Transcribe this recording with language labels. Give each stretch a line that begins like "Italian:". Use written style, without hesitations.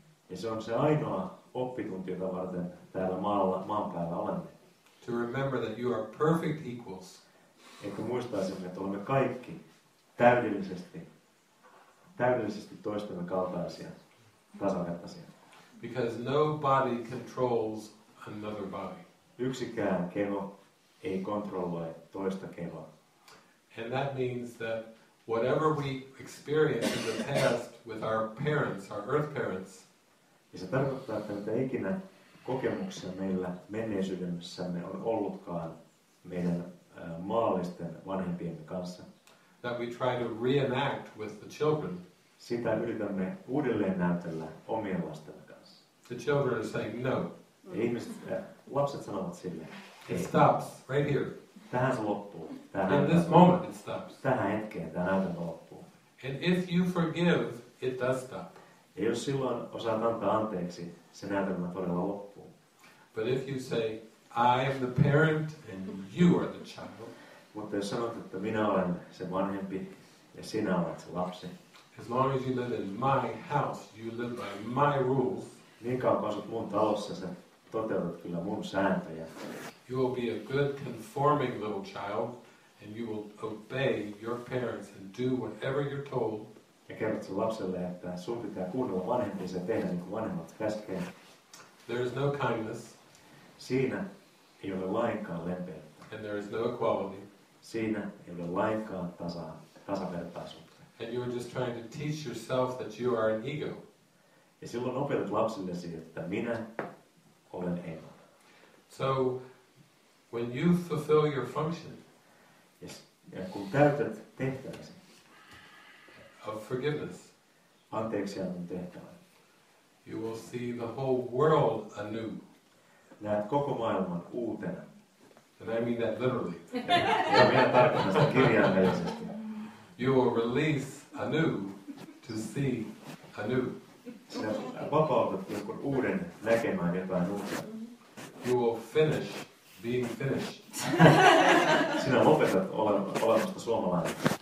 Finnish: Ja se on se ainoa oppitunti, jota varten täällä maalla, maan päällä olemme.
English: To remember that you are perfect equals.
Finnish: Että muistaisimme, että olemme kaikki täydellisesti toistemme kaltaisia, tasavertaisia.
English: Because nobody controls another body.
Finnish: Yksikään keho ei kontrolloi toista kehoa.
English: And that means that whatever we experience in the past with our parents, our earth parents,
Finnish: ja se tarkoittaa, että mitä ikinä kokemuksia meillä menneisyydessämme on ollutkaan meidän maallisten vanhempien kanssa,
English: that we try to reenact with the children,
Finnish: sitä yritämme uudelleen näytellä omien lastemme kanssa.
English: The children are saying no.
Finnish: Ja ihmiset, lapset sanovat sille,
English: it stops right here.
Finnish: Tähän se loppuu. Tähän
English: in this moment it stops.
Finnish: Tähän hetkeen tämä näytelmä loppuu.
English: And if you forgive, it does stop.
Finnish: Ja jos silloin osaat antaa anteeksi, se näytelmä todella loppuu.
English: But if you say, I am the parent and you are the child.
Finnish: Mutta jos sanot, että minä olen se vanhempi ja sinä olet se lapsi.
English: As long as you live in my house, you live by my rules.
Finnish: Niin kauan kun asut mun talossa, sä toteutat kyllä mun sääntöjä.
English: You will be a good conforming little child and you will obey your parents and do whatever you're told.
Finnish: Ja kerrot sun lapselle, että sun pitää kuunnella vanhempiinsa ja tehdä niin kuin vanhemmat käskee.
English: There is no kindness.
Finnish: Siinä ei ole lainkaan lempeyttä.
English: And there is no equality.
Finnish: Siinä ei ole lainkaan tasavertaisuutta.
English: And you are just trying to teach yourself that you are an ego.
Finnish: Ja silloin opetat lapsillesi, että minä olen ego.
English: So when you fulfill your function,
Finnish: yes, ja kun täytät tehtäväsi,
English: of forgiveness,
Finnish: anteeksiannon tehtävän,
English: you will see the whole world anew.
Finnish: Näet koko maailman uutena.
English: And I mean that literally.
Finnish: Ja minä tarkoitan sitä kirjaimellisesti.
English: You will release anew to see anew.
Finnish: Sä vapautat jonkun uuden näkemään jotain uutta.
English: You will finish being finished.
Finnish: Sinä lopetat olemasta suomalainen.